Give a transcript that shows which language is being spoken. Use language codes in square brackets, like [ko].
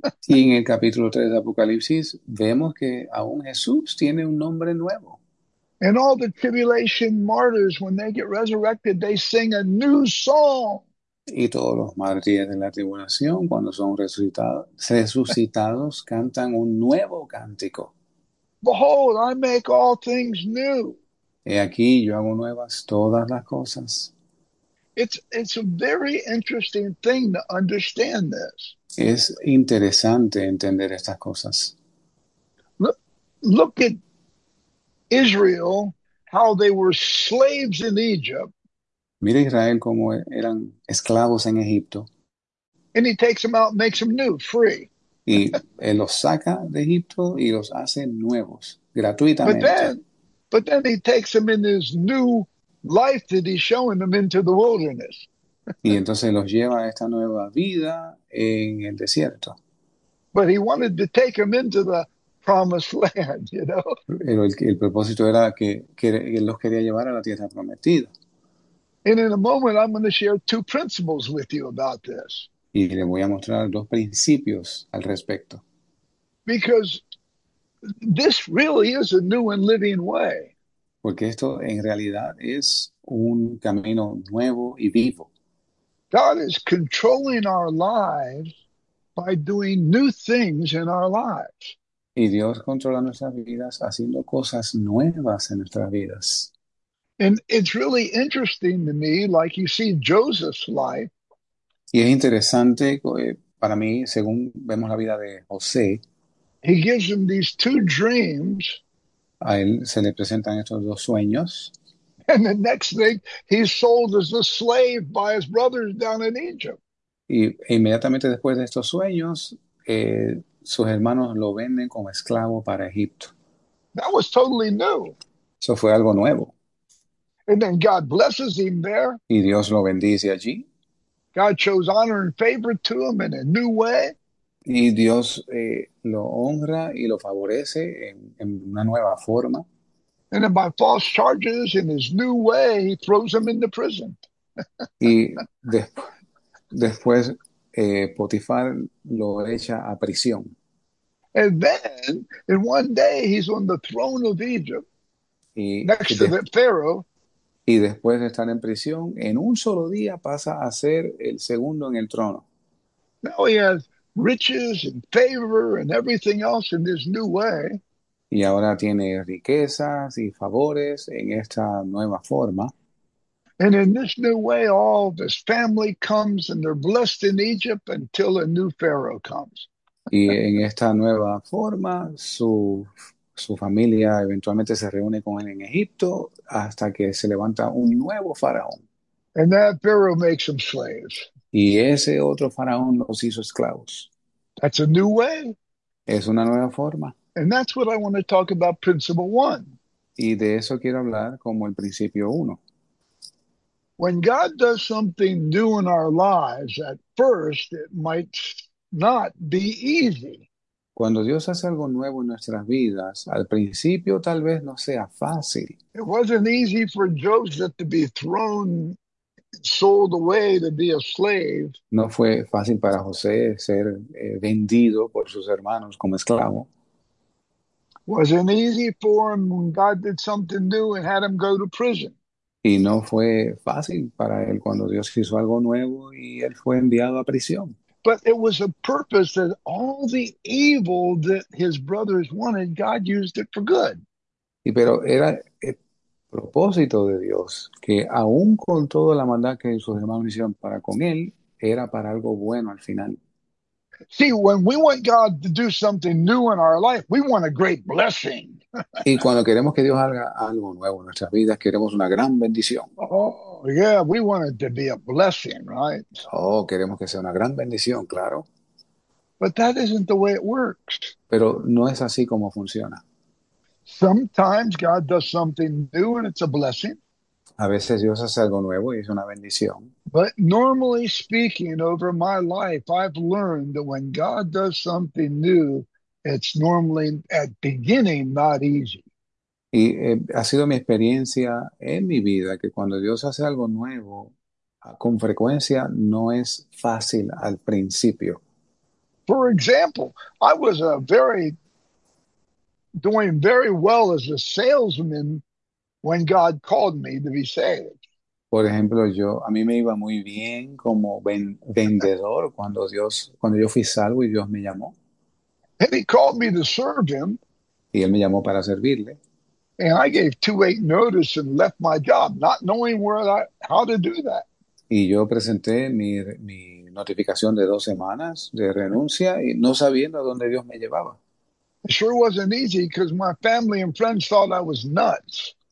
[es] Y en el capítulo 3 de Apocalipsis vemos que aún Jesús tiene un nombre nuevo. [en] And all the tribulation martyrs, when they get resurrected, they sing a new song. [es] Y todos los mártires de la tribulación, cuando son resucitados, cantan un nuevo cántico. [en] Behold, I make all things new. [es] He aquí, yo hago nuevas todas las cosas. [en] It's a very interesting thing to understand this. [es] Es interesante entender estas cosas. [en] Look at Israel, how they were slaves in Egypt. [es] Mira a Israel cómo eran esclavos en Egipto. [en] And he takes them out and makes them new, free. [es] Y él los saca de Egipto y los hace nuevos, gratuitamente. [en] But then he takes them in his new life that he's showing them into the wilderness. [es] Y entonces los lleva a esta nueva vida en el desierto. [en] But he wanted to take them into the promised land, you know. [es] Pero el propósito era que él los quería llevar a la tierra prometida. [en] And in a moment, I'm going to share two principles with you about this. [es] Y le voy a mostrar dos principios al respecto. [en] Because this really is a new and living way. [es] Porque esto en realidad es un camino nuevo y vivo. [en] God is controlling our lives by doing new things in our lives. [es] Y Dios controla nuestras vidas haciendo cosas nuevas en nuestras vidas. [en] And it's really interesting to me, like you see Joseph's life. [es] Y es interesante para mí, según vemos la vida de José, [en] He gives him these two dreams. [es] a él se le presentan estos dos sueños. [en] And the next thing, he's sold as a slave by his brothers down in Egypt. [es] Y inmediatamente después de estos sueños, sus hermanos lo venden como esclavo para Egipto. [en] That was totally new. [es] Eso fue algo nuevo. [en] And then God blesses him there. [es] Y Dios lo bendice allí. [en] God shows honor and favor to him in a new way. [es] Y Dios lo honra y lo favorece en una nueva forma. [en] And then by false charges in his new way, he throws him into prison. [es] Y después Potifar lo echa a prisión. [en] And then, in one day, he's on the throne of Egypt, next to the Pharaoh. [es] Y después de estar en prisión, en un solo día pasa a ser el segundo en el trono. [en] Now he has riches and favor and everything else in this new way. [es] Y ahora tiene riquezas y favores en esta nueva forma. [en] And in this new way, all of his family comes and they're blessed in Egypt until a new Pharaoh comes. [es] Y en esta nueva forma, su su familia eventualmente se reúne con él en Egipto hasta que se levanta un nuevo faraón. [en] And that Pharaoh makes them slaves. [es] Y ese otro faraón los hizo esclavos. [en] That's a new way. [es] Es una nueva forma. [en] And that's what I want to talk about, principle one. [es] Y de eso quiero hablar como el principio uno. [en] When God does something new in our lives, at first it might not be easy. [es] Cuando Dios hace algo nuevo en nuestras vidas, al principio tal vez no sea fácil. [en] It wasn't easy for Joseph to be thrown, sold away to be a slave. [es] No fue fácil para José ser vendido por sus hermanos como esclavo. [en] Wasn't easy for him when God did something new and had him go to prison. [es] Y no fue fácil para él cuando Dios hizo algo nuevo y él fue enviado a prisión. [en] But it was a purpose that all the evil that his brothers wanted, God used it for good. [es] Y pero era el propósito de Dios que aun con toda la maldad que sus hermanos hicieron para con él, era para algo bueno al final. [en] See, when we want God to do something new in our life, we want a great blessing. [es] Y cuando queremos que Dios haga algo nuevo en nuestras vidas, queremos una gran bendición. [en] Oh, yeah, we want it to be a blessing, right? [es] Oh, queremos que sea una gran bendición, claro. [en] But that isn't the way it works. [es] Pero no es así como funciona. [en] Sometimes God does something new and it's a blessing. [es] A veces Dios hace algo nuevo y es una bendición. [en] But normally speaking, over my life, I've learned that when God does something new, it's normally at beginning not easy. [es] Y ha sido mi experiencia en mi vida que cuando Dios hace algo nuevo, con frecuencia no es fácil al principio. [en] For example, I was a very doing very well as a salesman when God called me to be saved. [es] Por ejemplo, yo a mí me iba muy bien como vendedor cuando yo fui salvo y Dios me llamó. [en] And he called me to serve him. [es] Y él me llamó para servirle. [en] And I gave 2-8 notice and left my job, not knowing where that, how to do that. [es] Y yo presenté mi notificación de 2 semanas de renuncia y no sabiendo a dónde Dios me llevaba. [en] Sure wasn't easy because my family and friends thought I was nuts.